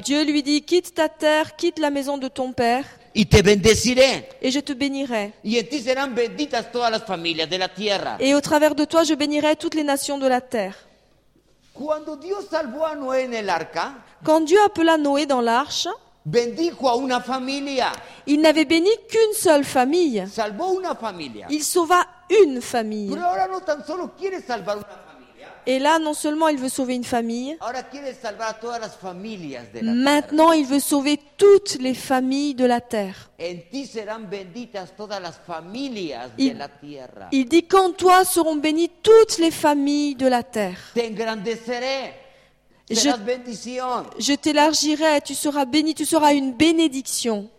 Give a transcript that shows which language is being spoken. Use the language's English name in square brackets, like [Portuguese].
[French] Dieu lui dit, quitte ta terre, quitte la maison de ton père. [Spanish] Y te bendeciré. [French] Et je te bénirai. [Spanish] Y en ti serán benditas todas las familias de la tierra. [French] Et au travers de toi, je bénirai toutes les nations de la terre. [Spanish] Cuando Dios salvó a Noé en el arca, [French] quand Dieu appela Noé dans l'arche, [Spanish] bendijo a una familia. [French] Il n'avait béni qu'une seule famille. [Spanish] Salvó una familia. [French] Il sauva une famille. [Spanish] Pero ahora no tan solo quiere salvar una familia. [French] Et là, non seulement il veut sauver une famille, [Spanish] ahora quiere salvar a todas las familias de la [French] maintenant [Spanish] terra. [French] Il veut sauver toutes les familles de la terre. [Spanish] En ti serán benditas todas las familias de la tierra. [French] Il dit qu'en toi seront bénies toutes les familles de la terre. [Spanish] Te engrandeceré. Serás bendición. [French] Je t'élargirai, tu seras béni, tu seras une bénédiction.